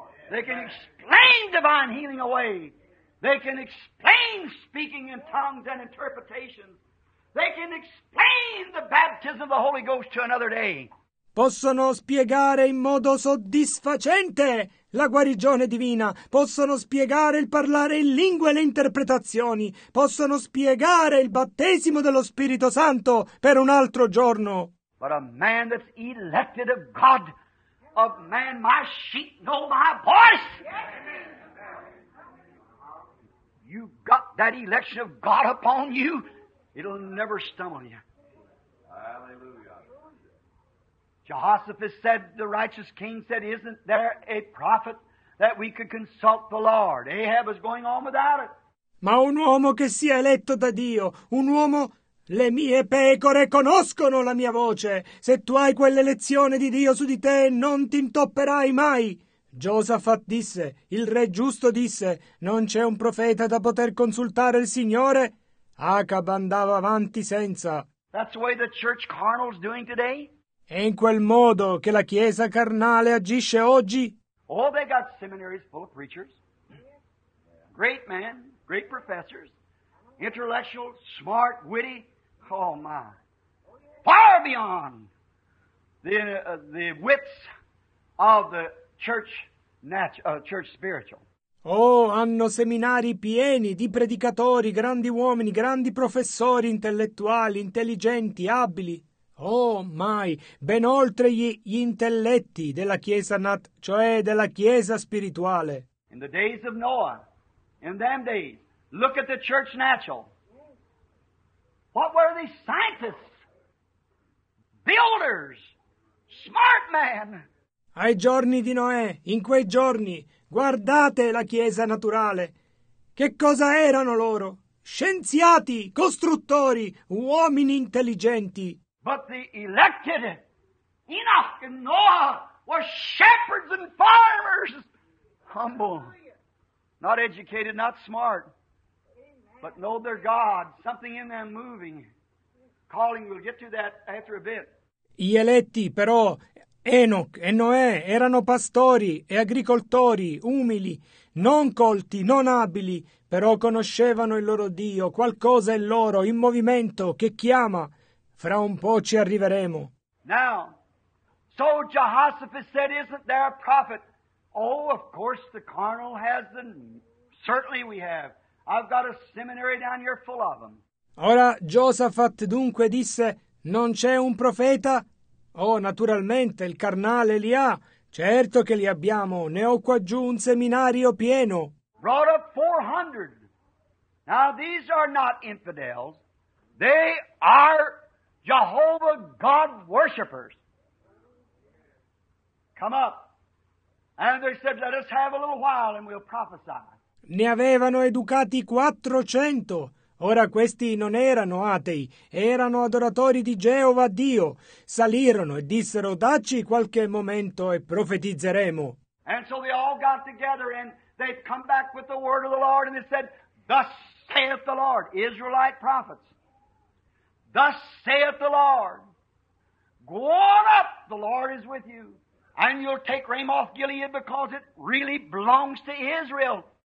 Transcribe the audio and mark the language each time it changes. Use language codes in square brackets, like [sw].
[en] They can explain divine healing away. They can explain speaking in tongues and interpretations. They can explain the baptism of the Holy Ghost to another day. [it] Possono spiegare in modo soddisfacente la guarigione divina, possono spiegare il parlare in lingue e le interpretazioni, possono spiegare il battesimo dello Spirito Santo per un altro giorno. [en] But a man that's elected of God, of man, my sheep know my voice. You've got that election of God upon you, it'll never stumble you. Jehoshaphat said, the righteous king said, isn't there a prophet that we could consult the Lord? Ahab is going on without it. [it] Ma un uomo che sia eletto da Dio, un uomo, le mie pecore conoscono la mia voce. Se tu hai quell'elezione di Dio su di te, non ti intopperai mai. Josafat disse, il re giusto disse, non c'è un profeta da poter consultare il Signore? Acab andava avanti senza. [en] That's the way the church carnal is doing today? [it] È in quel modo che la Chiesa carnale agisce oggi? [en] Oh, they got seminaries full of preachers. Great men, great professors. Intellectual, smart, witty. Oh, my. Far beyond the wits of the church, church spiritual. [it] Oh, hanno seminari pieni di predicatori, grandi uomini, grandi professori intellettuali, intelligenti, abili. Oh, mai, ben oltre gli intelletti della Chiesa Nat, cioè della Chiesa spirituale. [en] In the days of Noah, in them days, look at the church natural. What were these scientists, builders, smart men? [it] Ai giorni di Noè, in quei giorni, guardate la Chiesa naturale. Che cosa erano loro? Scienziati, costruttori, uomini intelligenti. [en] But the elected Enoch and Noah were shepherds and farmers. Humble. Not educated, not smart. But know their God. Something in them moving. Calling, we'll get to that after a bit. [it] Gli eletti, però, Enoch e Noè, erano pastori e agricoltori, umili, non colti, non abili, però conoscevano il loro Dio, qualcosa in loro, in movimento, che chiama. Fra un po' ci arriveremo. [en] Now, so Jehoshaphat said, isn't there a prophet? Oh, of course the carnal has them. Certainly we have. I've got a seminary down here full of them. [it] Ora, Josafat dunque disse, non c'è un profeta? Oh, naturalmente, il carnale li ha. Certo che li abbiamo. Ne ho qua giù un seminario pieno. [en] Brought up 400. Now, these are not infidels. They are Jehovah God worshippers come up. And they said, let us have a little while and we'll prophesy. [it] Ne avevano educati 400. Ora questi non erano atei, erano adoratori di Geova Dio. Salirono e dissero, dacci qualche momento e profetizzeremo. [en] And so they all got together and they come back with the word of the Lord and they said, thus saith the Lord, Israelite prophets. Thus saith the Lord, go on up, the Lord is with you, and you'll take Ramoth Gilead because it really belongs to Israel.